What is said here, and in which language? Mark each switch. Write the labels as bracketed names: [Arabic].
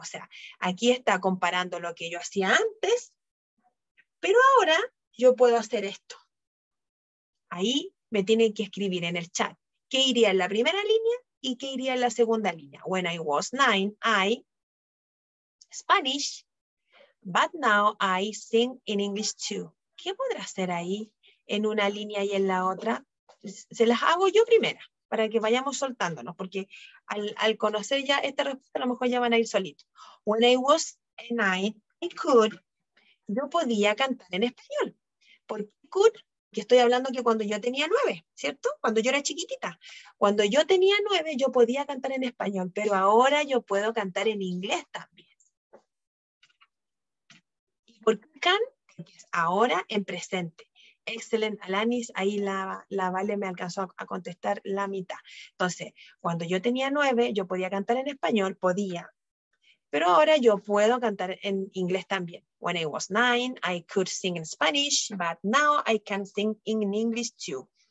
[Spanish] O sea, aquí está comparando lo que yo hacía antes, pero ahora yo puedo hacer esto. Ahí me tienen que escribir en el chat qué iría en la primera línea y qué iría en la segunda línea. [English] When I was 9, I Spanish, but now I sing in English too. [Spanish] ¿Qué podrá hacer ahí en una línea y en la otra? Se las hago yo primera, para que vayamos soltándonos, porque al conocer ya esta respuesta, a lo mejor ya van a ir solitos. [English] When I was 9, I could, [Spanish] yo podía cantar en español. Porque could, que estoy hablando que cuando yo tenía 9, ¿cierto? Cuando yo era chiquitita. Cuando yo tenía 9, yo podía cantar en español, pero ahora yo puedo cantar en inglés también. ¿Por qué can? Ahora en presente. Excelente, Alanis, ahí la Vale me alcanzó a contestar la mitad. Entonces, cuando yo tenía 9, yo podía cantar en español, podía. Pero ahora yo puedo cantar en inglés también. [English] When I was 9, I could sing in Spanish, but now I can sing in English too.